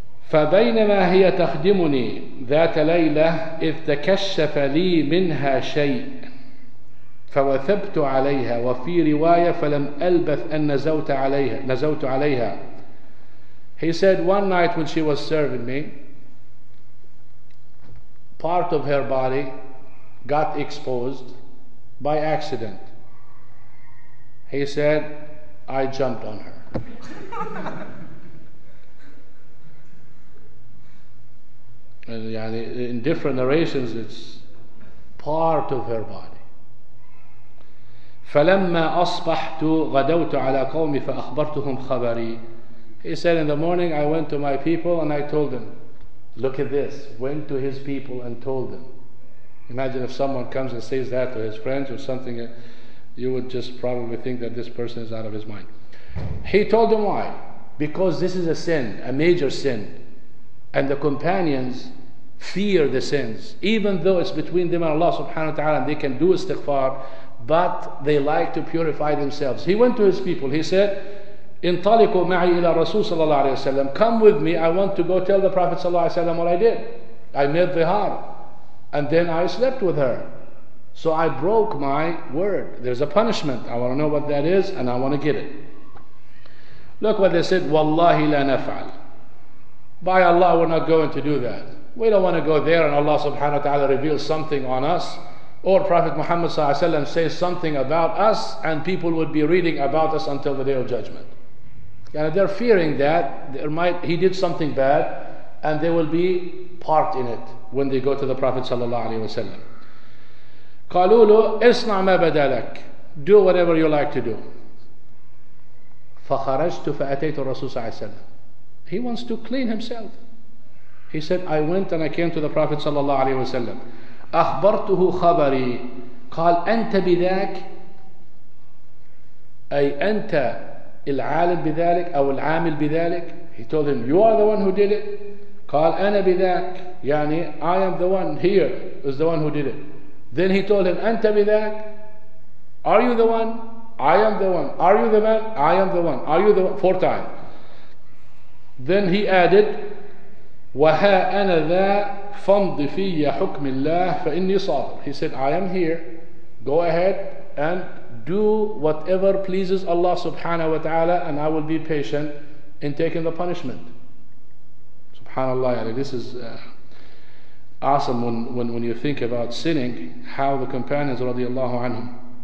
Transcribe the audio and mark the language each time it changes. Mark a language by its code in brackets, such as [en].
[ar] فبينما هي تخدمني ذات ليلة إذ تكشف لي منها شيء فوثبت عليها وفي رواية فلم ألبث أن نزوت عليها. [en] He said, one night when she was serving me, part of her body got exposed by accident. He said, I jumped on her. In different narrations, it's part of her body. [ar] فَلَمَّا أَصْبَحْتُ غَدَوْتُ عَلَى قَوْمِ فَأَخْبَرْتُهُمْ خَبَرِي. [en] He said, in the morning I went to my people and I told them, look at this, went to his people and told them. Imagine if someone comes and says that to his friends or something, you would just probably think that this person is out of his mind. He told them why? Because this is a sin, a major sin. And the companions fear the sins, even though it's between them and Allah subhanahu wa ta'ala, and they can do istighfar, but they like to purify themselves. He went to his people, he said, [ar] انطلقوا معي إلى الرسول صلى الله عليه وسلم. [en] Come with me, I want to go tell the Prophet صلى الله عليه وسلم what I did. I made dhihar and then I slept with her. So I broke my word. There's a punishment. I want to know what that is and I want to get it. Look what they said. [ar] والله لا نفعل. [en] By Allah, we're not going to do that. We don't want to go there and Allah subhanahu wa ta'ala reveals something on us. Or Prophet Muhammad صلى الله عليه وسلم says something about us and people would be reading about us until the day of judgment. And they're fearing that there might, he did something bad and they will be part in it when they go to the Prophet sallallahu alaihi wasallam. [ar] قالوا له اصنع ما بدا لك. [en] Do whatever you like to do. [ar] فخرجت فأتيت الرسول صلى الله عليه وسلم. [en] He wants to clean himself. He said, I went and I came to the Prophet sallallahu alaihi wasallam. [ar] أخبرته خبري. قال أنت بذاك, أي أنت العالم بذلك أو العامل بذلك. [en] He told him, you are the one who did it. [ar] قال أنا بذاك, يعني [en] I am the one here, is the one who did it. Then he told him, [ar] أنت بذاك, [en] are you the one? I am the one. Are you the man? I am the one. Are you the one? Four times. Then he added, [ar] وها أنا ذا فامض في حكم الله فإني صابر. [en] He said, I am here, go ahead and do whatever pleases Allah subhanahu wa ta'ala and I will be patient in taking the punishment. Subhanallah, this is awesome when you think about sinning, how the companions radiallahu anhum.